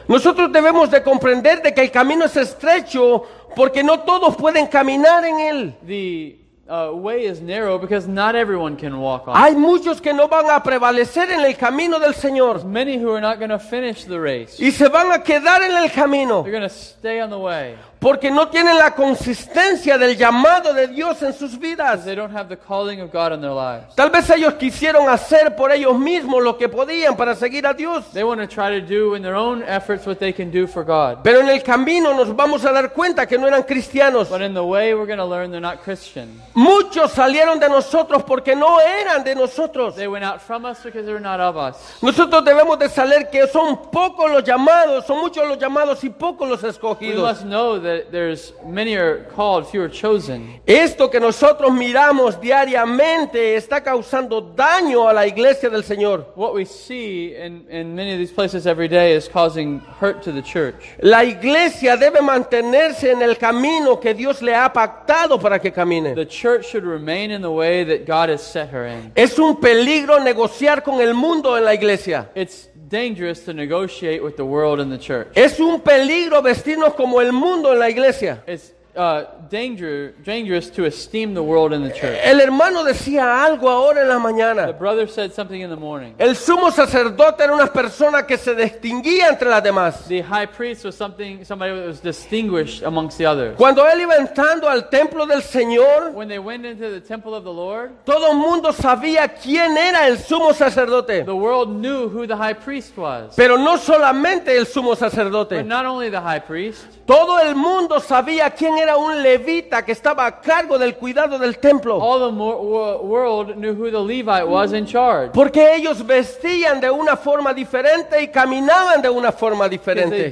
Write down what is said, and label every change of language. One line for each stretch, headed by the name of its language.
Spanish: Nosotros debemos de comprender de que el camino es estrecho porque no todos pueden caminar en él.
English: The way is narrow because not everyone can walk on.
Spanish: Hay muchos que no van a prevalecer en el camino del Señor.
English: Many who are not going to finish the race.
Spanish: Y se van a quedar en el camino.
English: They're going to stay on the way.
Spanish: Porque no tienen la consistencia del llamado de Dios en sus vidas.
English: They don't have the calling of God in their lives.
Spanish: Tal vez ellos quisieron hacer por ellos mismos lo que podían para seguir a Dios.
English: They want to try to do in their own efforts what they can do for God.
Spanish: Pero en el camino nos vamos a dar cuenta que no eran cristianos.
English: But in the way we're going to learn they're not Christian.
Spanish: Muchos salieron de nosotros porque no eran de nosotros.
English: They went out from us because they were not of us.
Spanish: Nosotros debemos de saber que son pocos los llamados, son muchos los llamados y pocos los escogidos.
English: We must know that there's many are called, few are chosen.
Spanish: Esto que nosotros miramos diariamente está causando daño a la iglesia del Señor.
English: What we see in many of these places every day is causing hurt to the church.
Spanish: La iglesia debe mantenerse en el camino que Dios le ha pactado para que camine.
English: The church should remain in the way that God has set her in.
Spanish: Es un peligro negociar con el mundo en la iglesia.
English: It's dangerous to negotiate with the world in the church.
Spanish: Es un peligro vestirnos como el mundo en la iglesia.
English: It's dangerous to esteem the world in the church.
Spanish: El hermano decía algo ahora en la mañana.
English: The brother said something in the morning.
Spanish: El sumo sacerdote era una persona que se distinguía entre las demás.
English: The high priest was somebody that was distinguished amongst the others.
Spanish: Cuando él iba entrando al templo del Señor,
English: when they went into the temple of the Lord,
Spanish: todo el mundo sabía quién era el sumo sacerdote.
English: The world knew who the high priest was.
Spanish: Pero no solamente el sumo sacerdote.
English: But not only the high priest.
Spanish: Todo el mundo sabía quién era un levita que estaba a cargo del cuidado del templo.
English: All the world knew who the Levite was in charge.
Spanish: Porque ellos vestían de una forma diferente y caminaban de una forma diferente.